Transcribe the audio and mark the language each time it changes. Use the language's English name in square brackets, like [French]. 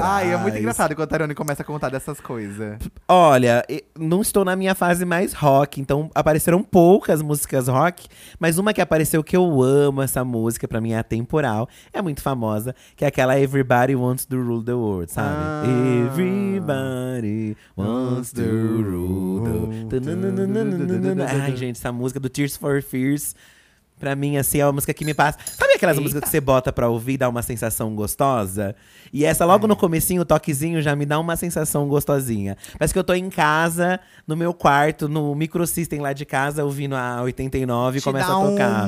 [Portuguese] Ai, é muito engraçado quando o Tyrone começa a contar dessas coisas. Olha, não estou na minha fase mais rock, então apareceram poucas músicas rock, mas uma que apareceu que eu amo essa música, pra mim é atemporal, é muito famosa, que é aquela Everybody Wants to Rule the World, sabe? Ah. [English] Everybody wants to rule the world. [Portuguese] Ai, gente, essa música do Tears for Fears, pra mim, assim, é uma música que me passa… Sabe aquelas Eita. Músicas que você bota pra ouvir e dá uma sensação gostosa? E essa, logo no comecinho, o toquezinho, já me dá uma sensação gostosinha. Parece que eu tô em casa, no meu quarto, no micro system lá de casa, ouvindo a 89 e começa a tocar.